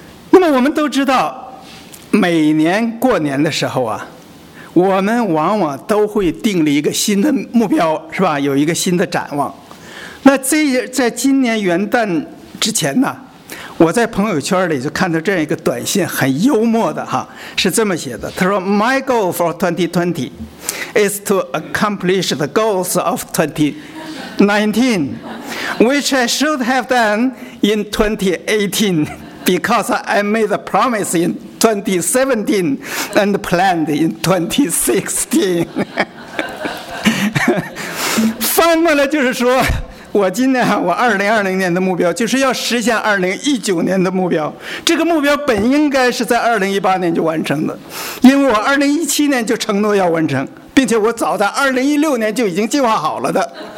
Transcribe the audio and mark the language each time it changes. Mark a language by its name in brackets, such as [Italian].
[Chinese] 那么我们都知道，每年过年的时候啊，我们往往都会定立一个新的目标，是吧？有一个新的展望。那在今年元旦之前呢，我在朋友圈里就看到这样一个短信，很幽默的哈，是这么写的。他说 [English] ：“My goal for 2020 is to accomplish the goals of 2019, which I should have done in 2018, because I made a promise in 2017 and planned in 2016. [Chinese] 翻过来就是说，我今年我2020年的目标就是要实现2019年的目标。这个目标本应该是在2018年就完成的，因为我2017年就承诺要完成，并且我早在2016年就已经计划好了的。